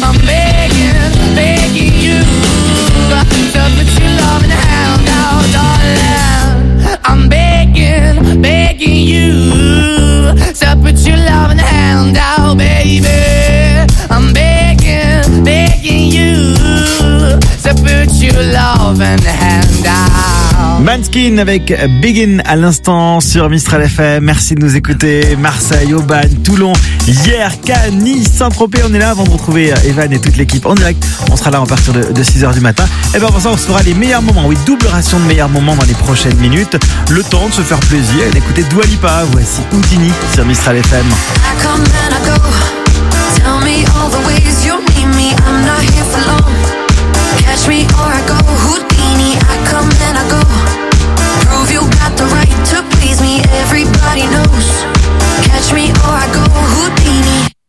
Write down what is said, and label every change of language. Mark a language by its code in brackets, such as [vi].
[en] I'm begging, begging you, to put your loving hand out, darling. I'm begging, begging you to put your loving hand out, baby. I'm begging, begging you to put your loving hand out. [fr] Maneskin avec Begin à l'instant sur Mistral FM. Merci de nous écouter. Marseille, Aubagne, Toulon, hier, Cannes, Saint-Tropez. On est là avant de retrouver Evan et toute l'équipe en direct. On sera là à partir de 6h du matin. Et bien pour ça, on saura les meilleurs moments. Oui, double ration de meilleurs moments dans les prochaines minutes. Le temps de se faire plaisir et d'écouter Dua Lipa. Voici Houdini sur Mistral FM. [en] I come and I go. Tell me all the ways you need me. I'm not here for long. Catch me or I go. Houdini, I come and I go. Prove you got the right to please me. Everybody knows. Catch me or I go. Houdini.